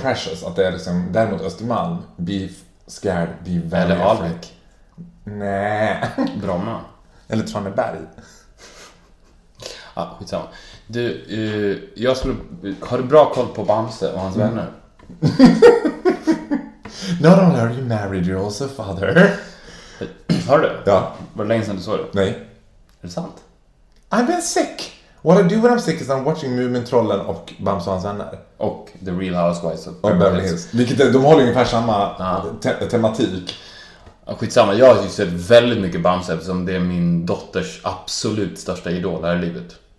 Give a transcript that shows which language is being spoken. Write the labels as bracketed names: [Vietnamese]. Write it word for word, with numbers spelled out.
[English] precious. [Swedish] Att det är liksom... Däremot Östermalm. [English] Be scared. Be very [Swedish] Eller [English] afraid. [Swedish] Alvik. Nej. Bromma. Eller Traneberg. Ja, skitsamma. Du, eh, jag skulle... Har du bra koll på Bamse och hans vänner? [English] Not only are you married, you're also a father. [Swedish] Har du? Ja. Var det länge sedan du såg det? Är Nej. det sant? [English] I've been sick. What I do when I'm sick is I'm watching Mumintrollen och Bamse och hans vänner. [Swedish] Och The Real Housewives of Och Beverly Hills. Vilket är, de har ju ungefär samma Ja. te- tematik. Ja, skitsamma, jag har ju sett väldigt mycket Bamse eftersom det är min dotters absolut största idol här i livet.